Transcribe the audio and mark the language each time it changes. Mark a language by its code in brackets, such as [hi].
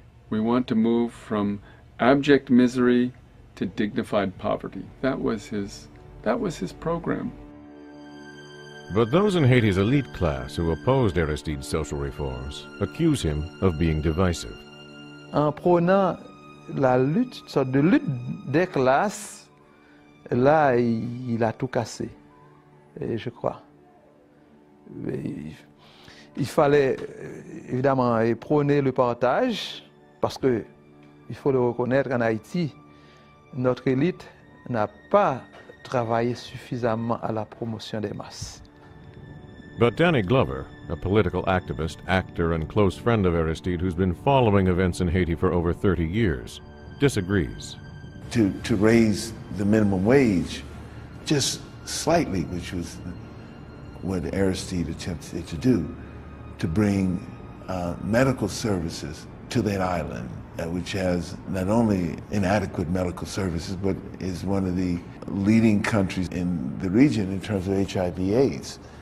[en] We want to move from abject misery to dignified poverty. That was his program. But those in Haiti's elite class who opposed Aristide's social reforms accuse him of being divisive. [fr] En prenant la lutte, une sorte de lutte des classes, là, il a tout cassé, je crois. Il fallait, évidemment, prôner le partage, parce que il faut le reconnaître, en Haïti, notre élite n'a pas travaillé suffisamment à la promotion des masses. [en] But Danny Glover, a political activist, actor, and close friend of Aristide, who's been following events in Haiti for over 30 years, disagrees. To raise the minimum wage just slightly, which was what Aristide attempted to do, to bring medical services to that island, which has not only inadequate medical services, but is one of the leading countries in the region in terms of HIV/AIDS.